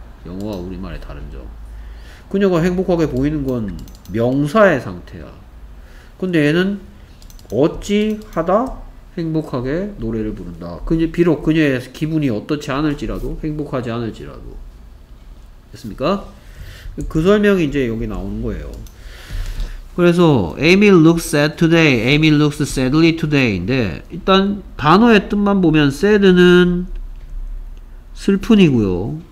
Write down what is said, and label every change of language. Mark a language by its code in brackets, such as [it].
[ko] 영어와 우리말의 다른 점. 그녀가 행복하게 보이는 건 명사의 상태야. 근데 얘는 어찌하다 행복하게 노래를 부른다. 비록 그녀의 기분이 어떻지 않을지라도, 행복하지 않을지라도. 됐습니까? 그 설명이 이제 여기 나오는 거예요. [en] 그래서 Emil looks sad today. Emil looks sadly today [ko] 인데, 일단 단어의 뜻만 보면 sad는 슬픈이고요.